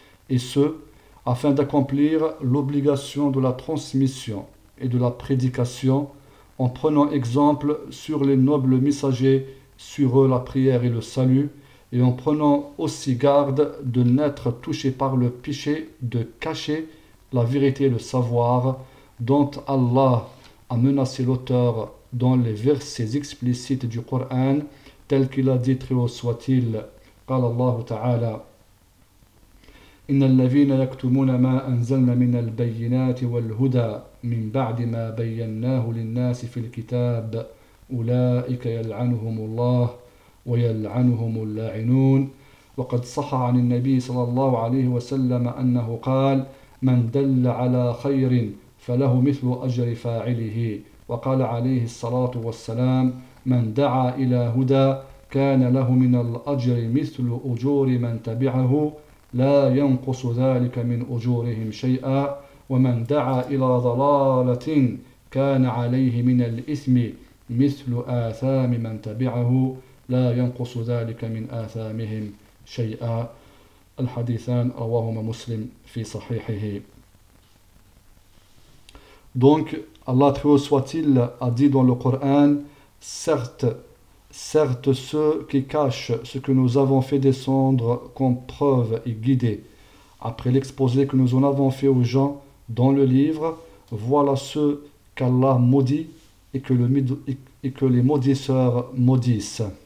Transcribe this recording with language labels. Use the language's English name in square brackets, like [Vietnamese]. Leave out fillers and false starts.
[French] Et ce, afin d'accomplir l'obligation de la transmission et de la prédication, en prenant exemple sur les nobles messagers, sur eux la prière et le salut, et en prenant aussi garde de n'être touché par le péché de cacher la vérité et le savoir dont Allah a menacé l'auteur dans les versets explicites du Coran, tel qu'il a dit, très haut soit-il, par Allah Ta'ala. [Arabic] إن الذين يكتمون ما أنزلنا من البينات والهدى من بعد ما بيناه للناس في الكتاب أولئك يلعنهم الله ويلعنهم اللاعنون. وقد صح عن النبي صلى الله عليه وسلم أنه قال من دل على خير فله مثل أجر فاعله. وقال عليه الصلاة والسلام من دعا إلى هدى كان له من الأجر مثل أجور من تبعه لا ينقص ذلك من أجورهم شيئا ومن دعا إلى ضلالة كان عليه من الإثم مثل آثام من تبعه لا ينقص ذلك من آثامهم شيئا. الحديثان رواهما مسلم في صحيحه. [French] Donc Allah très haut soit-il a dit dans le Coran, Certes, ceux qui cachent ce que nous avons fait descendre comme preuve et guidée, après l'exposé que nous en avons fait aux gens dans le livre, voilà ceux qu'Allah maudit et que les maudisseurs maudissent.